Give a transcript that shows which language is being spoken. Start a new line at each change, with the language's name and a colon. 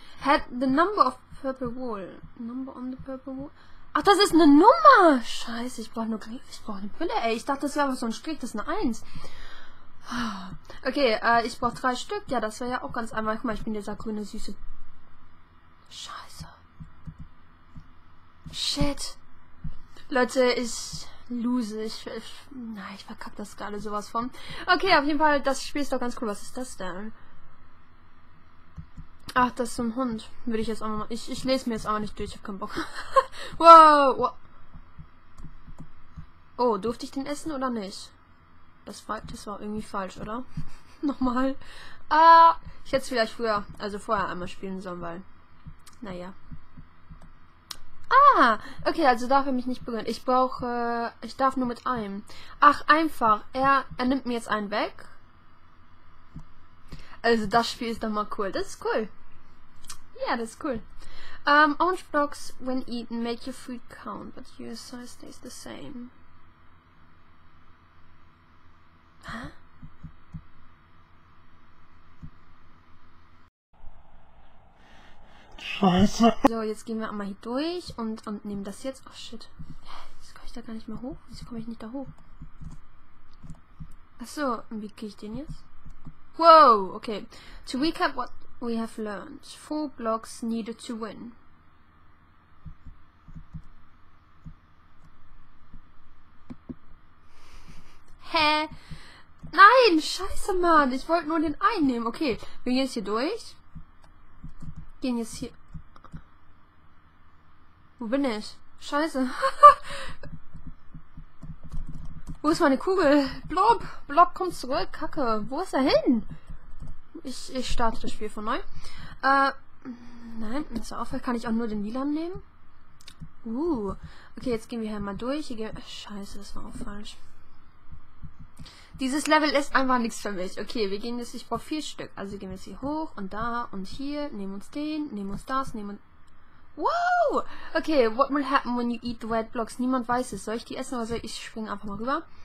English: Had the number of purple wool. Number on the purple wool.
German: Ach, das ist eine Nummer. Scheiße, ich brauche eine Pille. Ey, ich dachte, das wäre einfach so ein Strich. Das ist eine 1. Okay, ich brauche drei Stück. Ja, das wäre ja auch ganz einfach. Guck mal, ich bin dieser grüne, süße... Scheiße.
English: Shit.
German: Leute, ich lose. Ich verkacke das gerade sowas von. Okay, auf jeden Fall, das Spiel ist doch ganz cool. Was ist das denn? Ach, das ist so ein Hund. Würde ich jetzt auch mal. Ich lese mir jetzt auch nicht durch. Ich hab keinen Bock. Wow. Oh, durfte ich den essen oder nicht? Das war irgendwie falsch, oder? Nochmal. Ah, ich hätte es vielleicht früher, also vorher einmal spielen sollen, weil. Naja. Ah, okay, also darf er mich nicht berühren. Ich darf nur mit einem. Ach, einfach. Er nimmt mir jetzt einen weg. Also das Spiel ist doch mal cool. Das ist cool. Ja, yeah, das ist cool.
English: Orange blocks when eaten make your food count, but your size stays the same.
German: Hä? Huh? Scheiße. So, jetzt gehen wir einmal hier durch und nehmen das jetzt.
English: Oh shit.
German: Jetzt komme ich da gar nicht mehr hoch. Wieso komme ich nicht da hoch? Achso, und wie kriege ich den jetzt? Wow, okay.
English: To recap what we have learned. Four blocks needed to win.
German: Hä? Nein, scheiße, Mann. Ich wollte nur den einen nehmen. Okay, wir gehen jetzt hier durch. Gehen jetzt hier. Wo bin ich? Scheiße. Wo ist meine Kugel? Blob, Blob kommt zurück. Kacke. Wo ist er hin? Ich starte das Spiel von neu. Nein, ist aufhören. Kann ich auch nur den Lilan nehmen? Okay, jetzt gehen wir hier mal durch. Scheiße, das war auch falsch. Dieses Level ist einfach nichts für mich. Okay, wir gehen jetzt. Ich brauche vier Stück. Also gehen wir jetzt hier hoch und da und hier. Nehmen uns den, nehmen uns das, nehmen uns. Wow!
English: Okay, what will happen when you eat the red blocks?
German: Niemand weiß es. Soll ich die essen oder soll ich springen einfach mal rüber?